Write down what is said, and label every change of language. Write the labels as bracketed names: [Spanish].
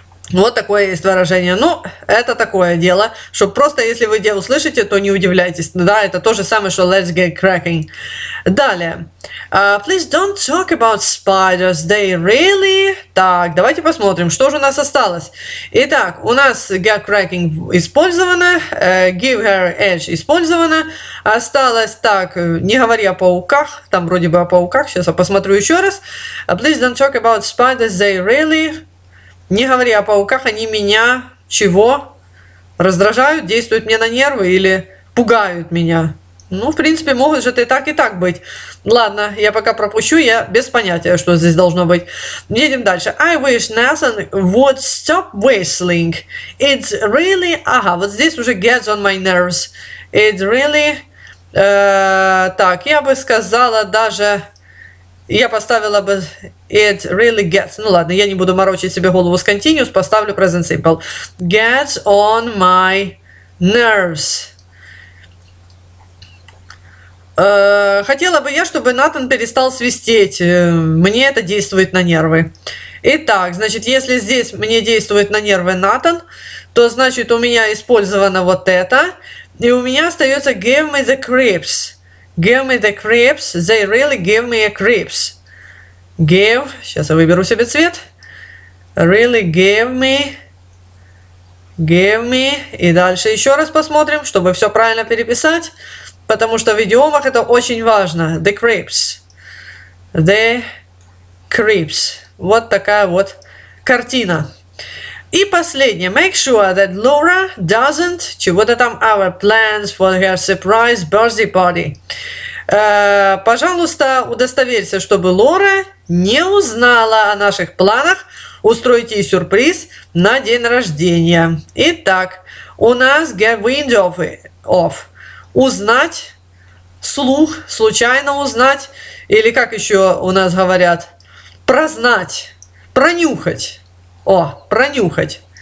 [Russian] Вот такое есть выражение. Ну, это такое дело, что просто если вы дело услышите, то не удивляйтесь. Да, это то же самое, что [English] let's get cracking. [Russian] Далее. [English] Please don't talk about spiders. They really... [Russian] Так, давайте посмотрим, что же у нас осталось. Итак, у нас [English] get cracking [Russian] использовано. [English] Give her edge [Russian] использовано. Осталось так, не говори о пауках. Там вроде бы о пауках. Сейчас я посмотрю еще раз. [English] Please don't talk about spiders. They really... [Russian] Не говори о пауках, они меня чего? Раздражают, действуют мне на нервы или пугают меня? Ну, в принципе, могут же это и так быть. Ладно, я пока пропущу, я без понятия, что здесь должно быть. Едем дальше. [English] I wish Nathan would stop whistling. It's really... [Russian] Ага, вот здесь уже [English] gets on my nerves. It's really... [Russian] так, я бы сказала даже... Я поставила бы [English] it really gets. [Russian] Ну ладно, я не буду морочить себе голову с continuous, поставлю present simple. [English] Gets on my nerves. [Russian] Хотела бы я, чтобы Натан перестал свистеть. Мне это действует на нервы. Итак, значит, если здесь мне действует на нервы Натан, то значит у меня использовано вот это. И у меня остается [English] give me the creeps. Give me the creeps. They really give me a creeps. Give. [Russian] Сейчас я выберу себе цвет. [English] Really give me. Give me. [Russian] И дальше еще раз посмотрим, чтобы все правильно переписать. Потому что в идиомах это очень важно. [English] The creeps. The creeps. [Russian] Вот такая вот картина. И последнее. [English] Make sure that Laura doesn't... [Russian] Чего-то там... [English] Our plans for her surprise birthday party. [Russian] Пожалуйста, удостоверься, чтобы Лора не узнала о наших планах устроить ей сюрприз на день рождения. Итак, у нас [English] get wind of, [Russian] Узнать, слух, случайно узнать, или как еще у нас говорят, прознать, пронюхать. О, пронюхать.